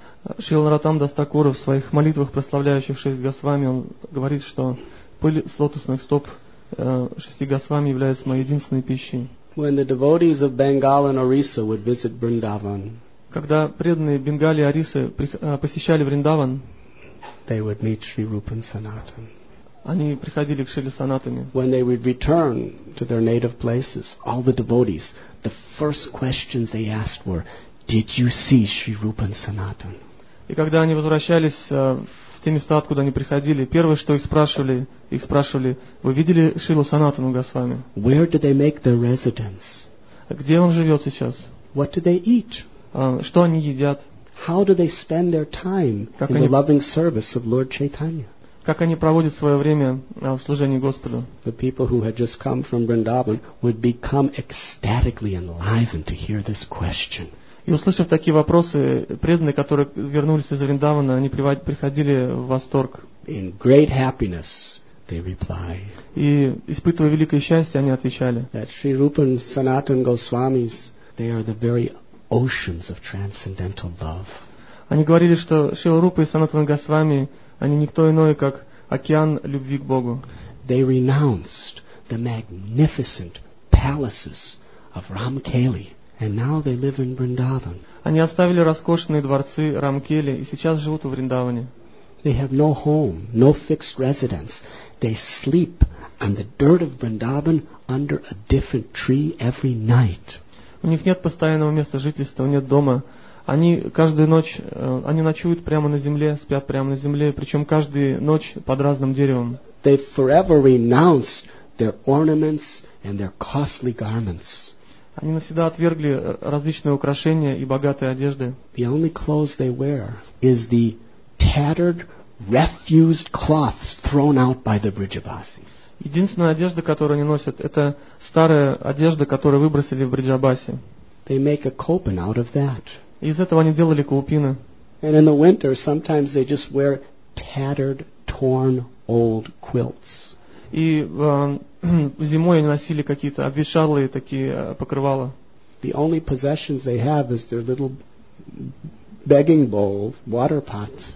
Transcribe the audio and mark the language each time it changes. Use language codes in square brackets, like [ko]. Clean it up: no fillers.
[ru] Srila Narottam Das Thakur, в своих молитвах, прославляющих шесть Госвами, он говорит, что пыль с лотосных стоп шести Госвами является моей единственной пищей. [en] When the devotees of Bengal and Orissa would visit Vrindavan, [ru] Когда преданные Бенгали Арисы посещали Вриндаван, [en] they would meet Sri Rupa and Sanatan. [ru] Они приходили к Шриле Санатане. [en] When they would return to their native places, all the devotees, the first questions they asked were, "Did you see Sri Rupa and Sanatan?" [ru] И когда они возвращались в те места, откуда они приходили, первое, что их спрашивали, "Вы видели Шрилу Санатану Госвами?" [en] Where do they make their residence? [ru] Где он живет сейчас? [en] What do they eat? [ru] Что они едят? [en] How do they spend their time in the loving service of Lord Chaitanya? [ru] Как они проводят свое время в служении Господу? [en] The people who had just come from Vrindavan would become ecstatically enlivened to hear this question. [ru] И услышав такие вопросы, преданные, которые вернулись из Вриндавана, они приходили в восторг. [en] In great happiness, they reply. [ru] И испытывая великое счастье, они отвечали. [en] That Sri Rupa and Sanatan Goswamis, they are the very oceans of transcendental love. [ru] Они говорили, что Шри Рупа и Санатана Госвами, они никто иное, как океан любви к Богу. [en] They renounced the magnificent palaces of Ramkeli, and now they live in Vrindavan. [ru] Они оставили роскошные дворцы Рамкели и сейчас живут в Вриндаване. [en] They have no home, no fixed residence. They sleep on the dirt of Vrindavan under a different tree every night. [ru] У них нет постоянного места жительства, нет дома. Они каждую ночь, они ночуют прямо на земле, спят прямо на земле, причем каждую ночь под разным деревом. [en] They forever renounced their ornaments and their costly garments. [ru] Они навсегда отвергли различные украшения и богатые одежды. [en] The only clothes they wear is the tattered, refused cloths thrown out by the Brijavasis. [ru] Единственная одежда, которую они носят, это старая одежда, которую выбросили в Бриджабасе. [en] They make a kopan out of that. [ru] Из этого они делали каупины. [en] And in the winter, sometimes they just wear tattered, torn, old quilts. [ru] И зимой они носили какие-то обветшалые такие покрывала. [en] The only possessions they have is their little begging bowl, water pot.